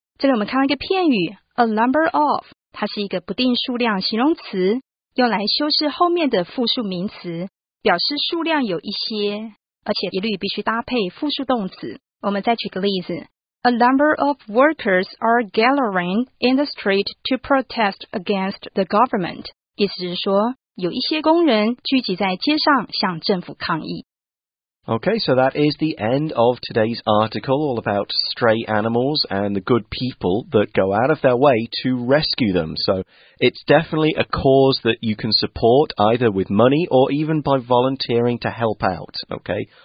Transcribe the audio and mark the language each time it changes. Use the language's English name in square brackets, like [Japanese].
[Chinese] 这里我们看到一个片语, A number of, 它是一个不定数量形容词, 用来修饰后面的复数名词, 表示数量有一些, 而且一律必须搭配复数动词。我们再举个例子, [English] A number of workers are gathering in the street to protest against the government. [Chinese] 意思是说, 有一些工人聚集在街上向政府抗议。 [English] Okay, so that is the end of today's article all about stray animals and the good people that go out of their way to rescue them. So it's definitely a cause that you can support either with money or even by volunteering to help out, okay?